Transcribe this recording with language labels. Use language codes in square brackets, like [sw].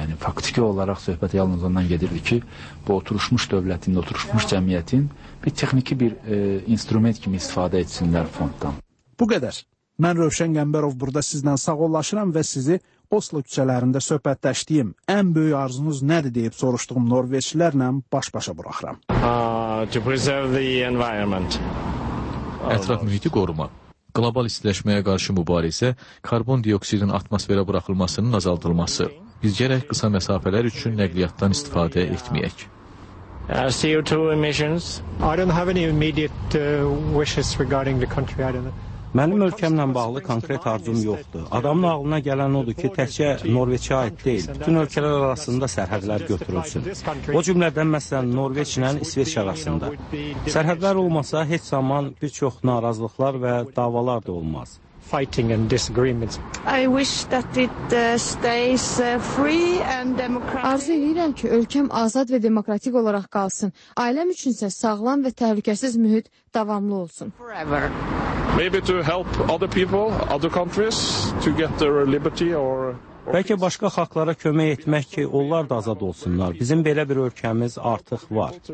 [az] Yəni, faktiki olaraq söhbət yalnız ondan gedirdi ki, bu oturuşmuş dövlətin, oturuşmuş cəmiyyətin bir texniki bir instrument kimi istifadə etsinlər fonddan. Bu qədər. Mən Rövşən Qəmbərov burada sizlə sağollaşıram və sizi Oslo küçələrində söhbətləşdiyim ən böyük arzunuz nədir deyib soruşduğum norveçlərlə baş-başa buraxıram. [en] To preserve the environment. [az] Ətraf mühiti qoruma. Qlobal istiləşməyə qarşı mübarizə, karbon dioksidin atmosferə buraxılmasının azaldılması. Biz gərək qısa məsafələr üçün nəqliyyatdan istifadə etməyək. [en] CO2 emissions. I don't have any immediate wishes regarding the country. I don't know. [az] Mənim ölkəmlə bağlı konkret arzum yoxdur. Adamın ağlına gələn odur ki, təkcə Norveçə aid deyil, bütün ölkələr arasında sərhədlər götürülsün. O cümlədən məsələn Norveç ilə İsveç arasında. Sərhədlər olmasa heç zaman bir çox narazılıqlar və davalar da olmaz. [en] Fighting and disagreements. I wish that it stays free and democratic. [az] Arzu edirəm ki, ölkəm azad və demokratik olaraq qalsın. Ailəm üçünsə sağlam və təhlükəsiz mühit davamlı olsun. [en] Forever. Maybe to help other people, other countries to get their liberty or [az] bəlkə başqa xalqlara kömək etmək ki, onlar da azad olsunlar. Bizim belə bir ölkəmiz artıq var.